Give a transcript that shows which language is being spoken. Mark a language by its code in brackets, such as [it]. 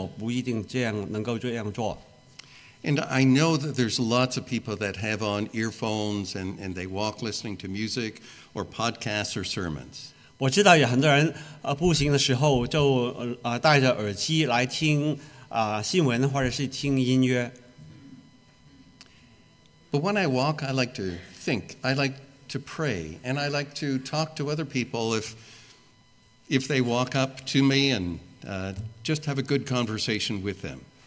[zh] 我很喜欢步行，我尽量是每天走10公里，但是我不一定这样能够这样做。 [en] And I know that there's lots of people that have on earphones and they walk listening to music or podcasts or sermons. [zh] 我知道有很多人步行的时候就戴着耳机来听新闻或者是听音乐。But [en] when I walk, I like to think, I like to pray, and I like to talk to other people if they walk up to me and just have a good conversation with them.